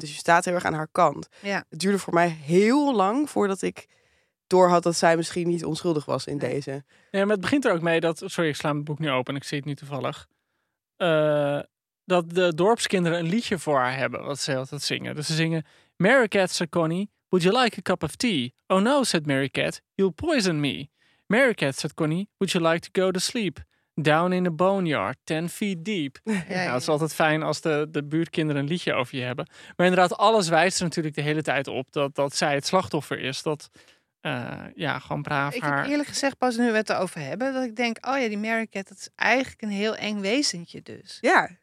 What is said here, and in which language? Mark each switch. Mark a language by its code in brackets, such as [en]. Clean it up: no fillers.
[nl] Dus je staat heel erg aan haar kant. Ja. Het duurde voor mij heel lang voordat ik doorhad dat zij misschien niet onschuldig was in deze. Ja, maar het begint er ook mee dat, sorry, ik sla mijn boek nu open, ik zie het nu toevallig, dat de dorpskinderen een liedje voor haar hebben, wat ze altijd zingen. Dus ze zingen, [en] Mary Cat, Sir Connie, would you like a cup of tea? Oh no, said Mary Cat, you'll poison me. Mary Cat, said Connie, would you like to go to sleep? Down in a boneyard, 10 feet deep. [nl] Ja, het is altijd fijn als de buurtkinderen een liedje over je hebben. Maar inderdaad, alles wijst er natuurlijk de hele tijd op dat zij het slachtoffer is. Dat, gewoon braaf haar... Ik heb eerlijk gezegd, pas nu we het erover hebben, dat ik denk, oh ja, die Mary Cat, dat is eigenlijk een heel eng wezentje dus. Ja.